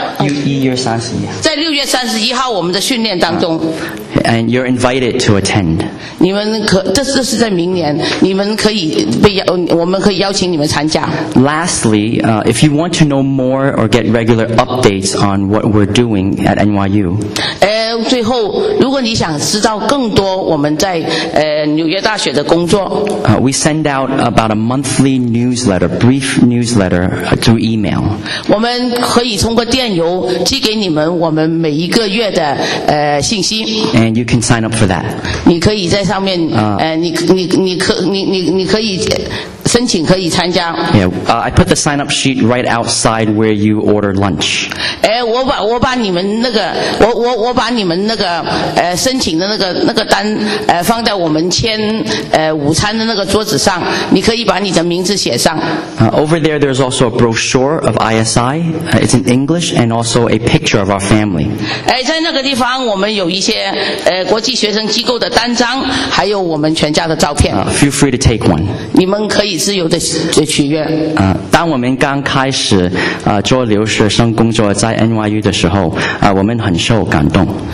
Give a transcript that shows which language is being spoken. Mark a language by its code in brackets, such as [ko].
[zh] 在六月三十一号我们的训练当中。 [en] And you're invited to attend. [zh] 你们可这是在明年，你们可以被邀，我们可以邀请你们参加。 [en] Lastly, if you want to know more or get regular updates on what we're doing at NYU. [zh] 最后，如果你想知道更多我们在纽约大学的工作。 [en] We send out about a monthly newsletter, brief newsletter through email. [zh] 我们可以通过电邮寄给你们我们每一个月的信息。 [en] And you can sign up for that. [zh] 你可以在上面你可以申请可以参加。 [en] Yeah, I put the sign up sheet right outside where you order lunch. [zh] 我把你们那个申请的那个单放在我们签午餐的那个桌子上，你可以把你的名字写上。 [en] Over there, there's also a brochure of ISI. It's in English and also a picture of our family. [zh] 在那个地方我们有一些国际学生机构的单张，还有我们全家的照片。 [en] Feel free to take one. [zh] 你们可以。以自由的取悦。当我们刚开始做留学生工作在 NYU 的时候，我们很受感动。